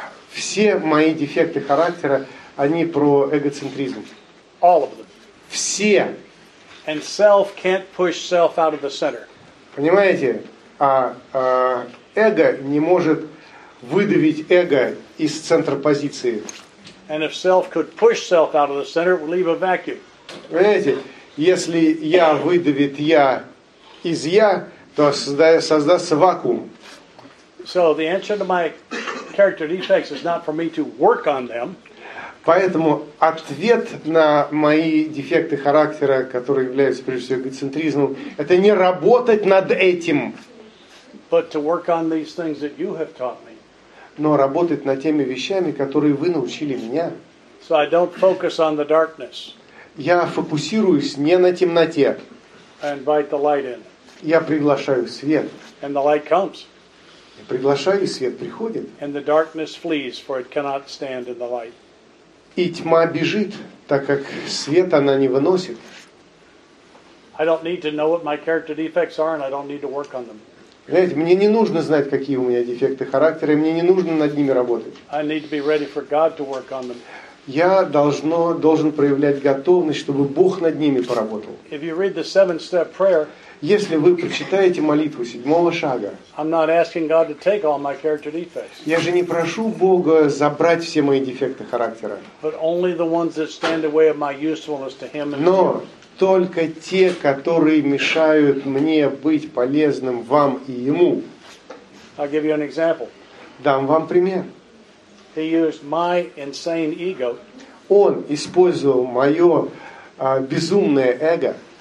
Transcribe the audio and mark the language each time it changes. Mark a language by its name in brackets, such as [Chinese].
[Russian] Все мои дефекты характера, они про эгоцентризм. [English] All of them. [Russian] Все. [English] And self can't push self out of the center. [Russian] Понимаете? Эго не может выдавить эго из центра позиции. [English] And if self could push self out of the center, it would leave a vacuum. [Russian] Понимаете? Если я выдавит я из я, то создастся вакуум. [English] So the answer to my character defects is not for me to work on them. [Russian] Поэтому ответ на мои дефекты характера, которые являются прежде всего эгоцентризмом, это не работать над этим. [English] But to work on these things that you have taught me. [Russian] Но работать над теми вещами, которые вы научили меня. [English] So I don't focus on the darkness. [Russian] Я фокусируюсь не на темноте. [English] I invite the light in. [Russian] Я приглашаю свет. [English] And the light comes. [Russian] Я приглашаю, и свет приходит. [English] And the darkness flees, for it cannot stand in the light. [Russian] И тьма бежит, так как свет она не выносит. [English] I don't need to know what my character defects are, and I don't need to work on them. [Russian] Знаете, мне не нужно знать, какие у меня дефекты характера, и мне не нужно над ними работать. [English] I need to be ready for God to work on them. [Russian] Я должен проявлять готовность, чтобы Бог над ними поработал. [English] If you read the seventh step prayer, [Russian] если вы прочитаете молитву седьмого шага, [English] I'm not asking God to take all my character defects. [Russian] Я же не прошу Бога забрать все мои дефекты характера. [English] But only the ones that stand away of my usefulness to Him. [Russian] Но только те, которые мешают мне быть полезным вам и Ему. [English] I'll give you an example. [Russian] Дам вам пример. [English] He used my insane ego. [Russian] Он использовал мое безумное эго.